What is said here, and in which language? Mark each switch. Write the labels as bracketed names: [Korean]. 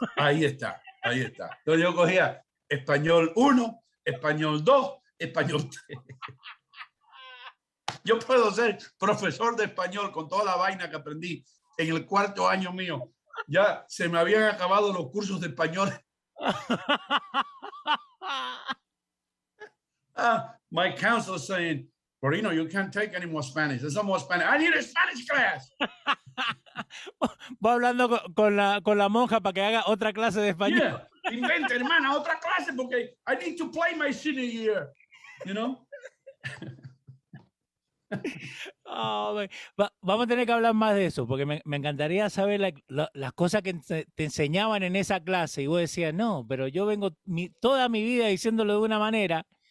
[Spanish] Ah, ahí está. Entonces yo cogía español 1, español 2, español 3. Yo puedo ser profesor de español con toda la vaina que aprendí en el cuarto año mío. Ya se me habían acabado los cursos de español. [English] My counselor saying, Marino, you can't take any more Spanish. There's no more Spanish. I need a Spanish class. [Spanish] Voy hablando con la monja para que haga otra clase de español. [English] Yeah. [Spanish] Inventa, hermana, otra clase porque [English] I need to play my senior year. You know? [Spanish] Oh, vamos a tener que hablar más de eso porque me encantaría saber las cosas que te enseñaban en esa clase y vos decías, no, pero yo vengo toda mi vida diciéndolo de una manera,